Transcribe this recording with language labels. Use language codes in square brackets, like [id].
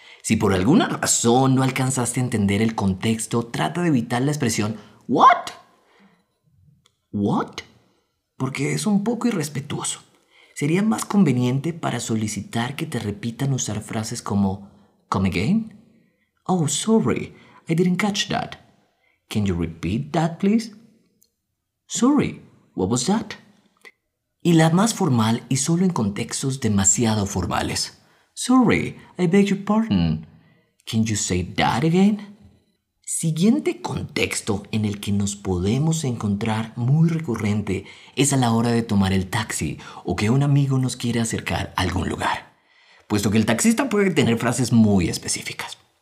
[es] Si por alguna razón no alcanzaste a entender el contexto, trata de evitar la expresión [en] What? What? [es] Porque es un poco irrespetuoso. Sería más conveniente para solicitar que te repitan usar frases como [en] Come again? Oh, sorry, I didn't catch that. Can you repeat that, please? Sorry, what was that? [es] Y la más formal y solo en contextos demasiado formales. [en] Sorry, I beg your pardon. Can you say that again? [es] Siguiente contexto en el que nos podemos encontrar muy recurrente es a la hora de tomar el taxi o que un amigo nos quiere acercar a algún lugar, puesto que el taxista puede tener frases muy específicas.